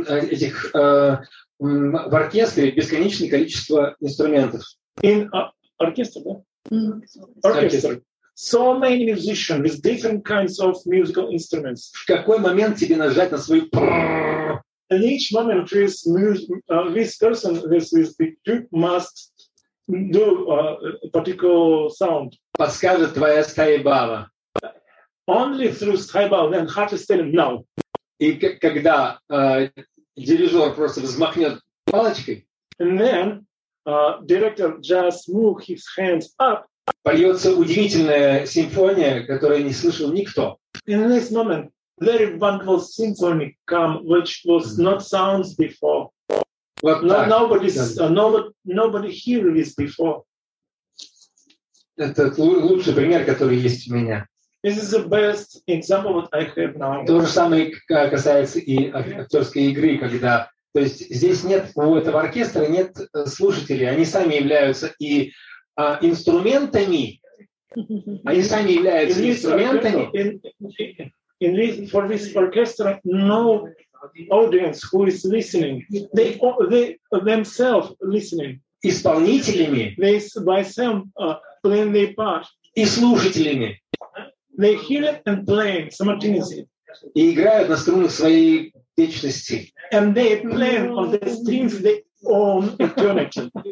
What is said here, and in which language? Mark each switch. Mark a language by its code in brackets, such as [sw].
[ru] Этих в оркестре бесконечное количество инструментов. [en] In orchestra, да? Orchestra. So many musicians with different kinds of musical instruments. [ru] В какой момент тебе нажать на свою? [en] In each moment, this this person, this tube must do a particular sound. [ru] Подскажет твоя стайбава. [en] Only through стайбава, then heart is telling no. [ru] И когда дирижер просто взмахнет палочкой, [en] and then director just move his hands up, [ru] польется удивительная симфония, которую не слышал никто. [en] In this moment, very wonderful symphony come, which was not sounds before. [ru] Вот [en] no, nobody hear this before. [ru] Это лучший пример, который есть у меня. [en] This is the best example what I have now. [ru] То же самое касается и актерской игры, когда, то есть здесь нет у этого оркестра нет слушателей, они сами являются и инструментами. Они сами являются инструментами. [en] For this orchestra, no audience who is listening. They themselves listening. [ru] Исполнителями. [en] They by some playing their part. [ru] И слушателями. [en] They hear it and play simultaneously. [ru] И играют на струнах своей вечности. [en] And they play on the strings of their own eternity.